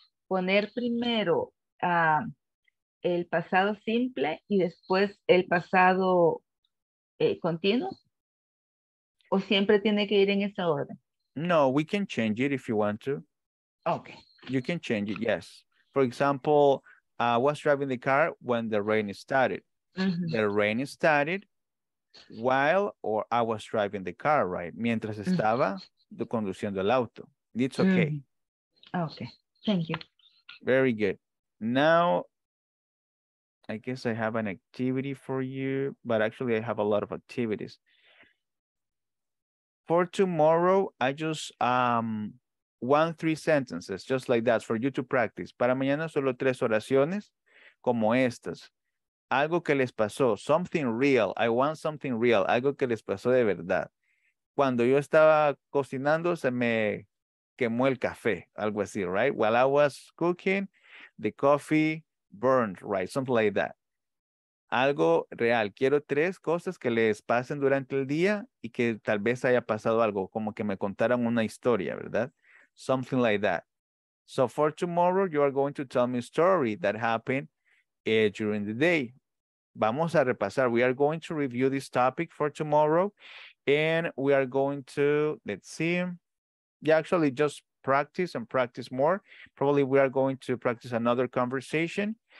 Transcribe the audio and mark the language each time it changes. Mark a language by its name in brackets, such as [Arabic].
[Spanish] Poner primero el pasado simple y después el pasado continuo? ¿O siempre tiene que ir en esa orden? [English] No, we can change it if you want to. Okay. You can change it, yes. For example, I was driving the car when the rain started. Mm-hmm. The rain started while or I was driving the car, right? [Spanish] Mientras estaba conduciendo el auto. [English] It's okay. Mm-hmm. Okay. Thank you. Very good. Now, I guess I have an activity for you, but actually I have a lot of activities. For tomorrow, I just... 1-3 sentences, just like that, for you to practice. [Spanish] Para mañana solo 3 oraciones como estas. Algo que les pasó, [English] something real. I want something real, [Spanish] algo que les pasó de verdad. Cuando yo estaba cocinando, se me quemó el café, algo así, right? [English] While I was cooking, the coffee burned, right? Something like that. [Spanish] Algo real. Quiero 3 cosas que les pasen durante el día y que tal vez haya pasado algo, como que me contaran una historia, ¿verdad? [English] Something like that. So for tomorrow, you are going to tell me a story that happened during the day. [Spanish] Vamos a repasar. [English] We are going to review this topic for tomorrow. And we are going to, let's see. Yeah, actually just practice and practice more. Probably we are going to practice another conversation.